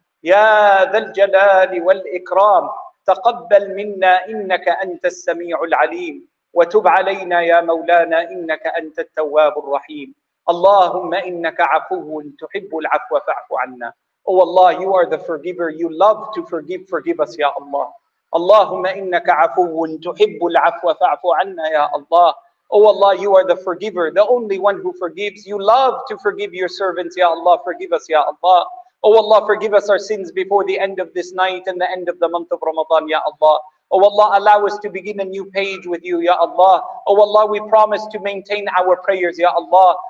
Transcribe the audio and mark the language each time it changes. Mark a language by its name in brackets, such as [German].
[Arabic] يا ذا الجلال والإكرام تقبل منا إنك أنت السميع العليم وتب علينا يا مولانا إنك أنت التواب الرحيم اللهم إنك عفو تحب العفو فاعف عنا. [English] Oh Allah, you are the forgiver, you love to forgive, forgive us, Ya Allah. [Arabic] اللهم إنك عفو تحب العفو فاعف عنا, [English] Ya Allah. Oh Allah, you are the forgiver, the only one who forgives. You love to forgive your servants, Ya Allah. Forgive us, Ya Allah. Oh Allah, forgive us our sins before the end of this night and the end of the month of Ramadan, Ya Allah. Oh Allah, allow us to begin a new page with you, Ya Allah. Oh Allah, we promise to maintain our prayers, Ya Allah.